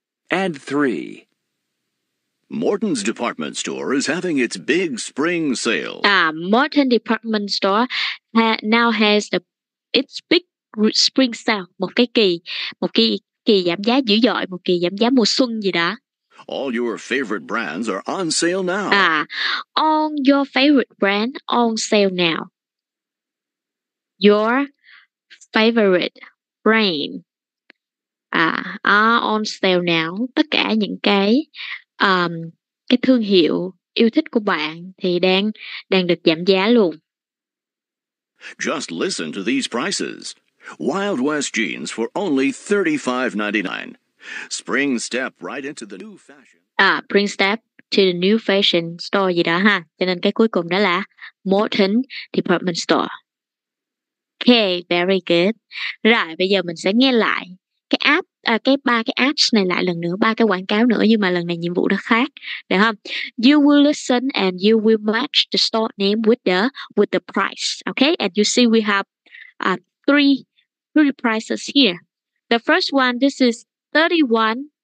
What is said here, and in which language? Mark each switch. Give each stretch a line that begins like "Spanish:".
English: Add 3. Morton's Department Store is having its big spring sale. Morton's Department Store now has its big spring sale.
Vietnamese: Một cái kỳ giảm giá dữ dội, một kỳ giảm giá mùa xuân gì đó.
English: All your favorite brands are on sale now. On your favorite brand on sale now. Your favorite brand are on sale now.
Vietnamese: Tất cả những cái thương hiệu yêu thích của bạn thì đang được giảm giá luôn.
English: Just listen to these prices. Wild West jeans for only $35.99. Spring step right into the new fashion. Spring step to the new fashion store gì đó ha.
Vietnamese: Cho nên cái cuối cùng đó là Morton Department Store.
English: Okay, very good.
Vietnamese: Rồi bây giờ mình sẽ nghe lại cái app, cái ba cái ads này lại lần nữa, ba cái quảng cáo nữa, nhưng mà lần này nhiệm vụ nó khác, được không?
English: You will listen and you will match the store name with the price. Okay, and you see we have three prices here. The first one, this is 31